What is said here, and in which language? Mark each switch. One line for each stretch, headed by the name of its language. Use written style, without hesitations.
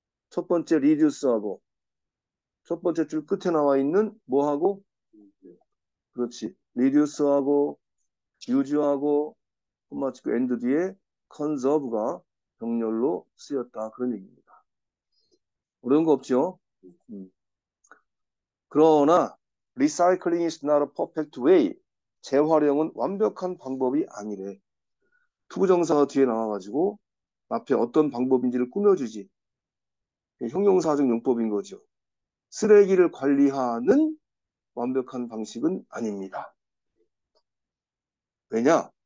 Korean: 첫 번째 리듀스하고, 첫 번째 줄 끝에 나와 있는 뭐하고? 그렇지. 리듀스하고, 유지하고, 콤마 찍고 엔드 뒤에 conserve가 병렬로 쓰였다. 그런 얘기입니다. 어려운 거 없죠?
English: 그러나, recycling is not a perfect way.
Korean: 재활용은 완벽한 방법이 아니래. 투부정사가 뒤에 나와가지고, 앞에 어떤 방법인지를 꾸며주지. 형용사적 용법인 거죠. 쓰레기를 관리하는 완벽한 방식은 아닙니다. 왜냐?